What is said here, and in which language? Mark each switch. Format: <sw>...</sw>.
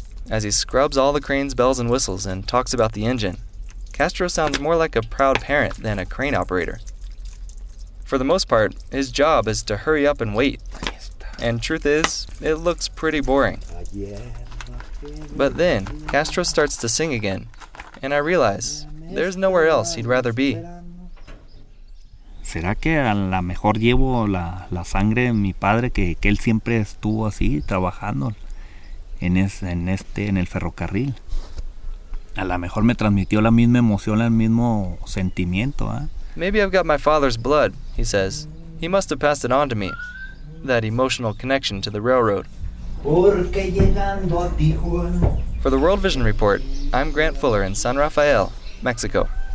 <en>As he scrubs all the crane's bells and whistles and talks about the engine, Castro sounds more like a proud parent than a crane operator. For the most part, his job is to hurry up and wait. And truth is, it looks pretty boring. But then, Castro starts to sing again, and I realize there's nowhere else he'd rather be.</en> <es>¿Será que a lo mejor llevo la sangre de mi padre que él siempre estuvo así trabajando en el ferrocarril? A lo mejor me transmitió la misma emoción, el mismo sentimiento, ¿ah?</es> <en>Maybe I've got my father's blood, he says. He must have passed it on to me, that emotional connection to the railroad. For the World Vision Report, I'm Grant Fuller in San Rafael, Mexico.</en>